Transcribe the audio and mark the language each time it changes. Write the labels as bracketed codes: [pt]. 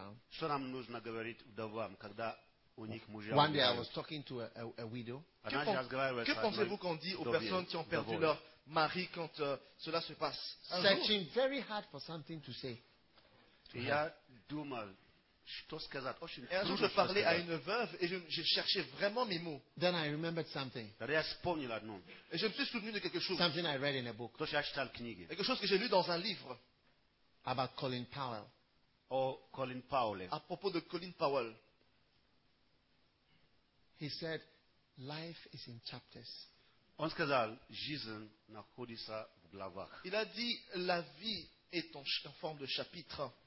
[ru] Что нам нужно говорить вдовам, когда у них мужья умирают? [en] One day I was talking to a widow. [fr] Que pensez-vous qu'on dit aux personnes qui ont perdu leur mari quand cela se passe? [en] Searching very hard for something to say. [ru] Я думал, что сказать. Очень трудно. [fr] Et je parlais à une veuve et je cherchais vraiment mes mots. [en] Then I remembered something. [ru] Я вспомнил одно. [fr] Et je me suis souvenu de quelque chose. [en] Something I read in a book. [ru] То, что я читал в книге. [fr] Quelque chose que j'ai lu dans un livre. [en] About Colin Powell. Or Colin Powell. [fr] À propos de Colin Powell, [en] he said, "Life is in chapters." [ru] On сказал, жизнь находится в главах. [fr] Il a dit, "La vie est en forme de chapitre."